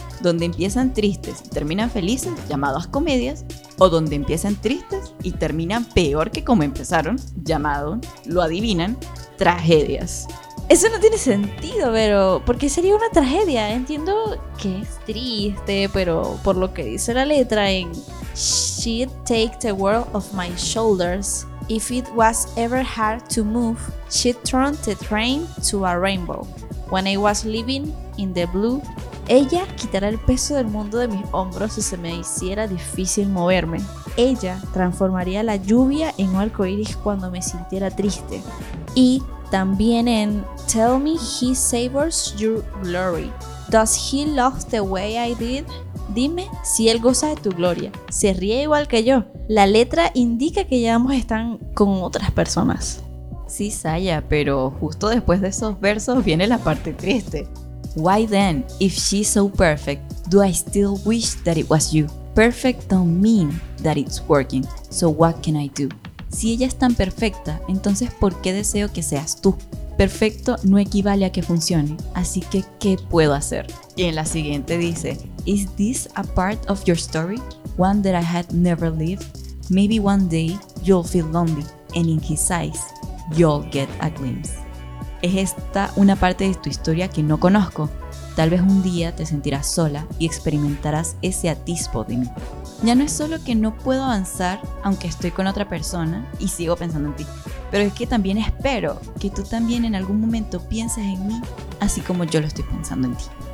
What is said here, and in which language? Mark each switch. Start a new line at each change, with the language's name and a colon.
Spanish: Donde empiezan tristes y terminan felices, llamados comedias, o donde empiezan tristes y terminan peor que como empezaron, llamado, lo adivinan, tragedias. Eso no tiene sentido, pero ¿por qué sería una tragedia? Entiendo que es triste, pero por lo que dice la letra en
English: She'd take the world off my shoulders. If it was ever hard to move, she'd turn the train to a rainbow. When I was living in the blue,
Spanish: ella quitará el peso del mundo de mis hombros si se me hiciera difícil moverme. Ella transformaría la lluvia en un arco iris cuando me sintiera triste. Y también en
English: Tell me he savors your glory. Does he love the way I did?
Spanish: Dime si él goza de tu gloria. Se ríe igual que yo. La letra indica que ya ambos están con otras personas. Sí, Saya, pero justo después de esos versos viene la parte triste.
English: Why then, if she's so perfect, do I still wish that it was you? Perfect don't mean that it's working, so what can I do?
Spanish: Si ella es tan perfecta, entonces ¿por qué deseo que seas tú? Perfecto no equivale a que funcione, así que ¿qué puedo hacer? Y en la siguiente dice,
English: Is this a part of your story? One that I had never lived? Maybe one day you'll feel lonely, and in his eyes, you'll get a glimpse.
Spanish: ¿Es esta una parte de tu historia que no conozco? Tal vez un día te sentirás sola y experimentarás ese atisbo de mí. Ya no es solo que no puedo avanzar aunque estoy con otra persona y sigo pensando en ti, pero es que también espero que tú también en algún momento pienses en mí así como yo lo estoy pensando en ti.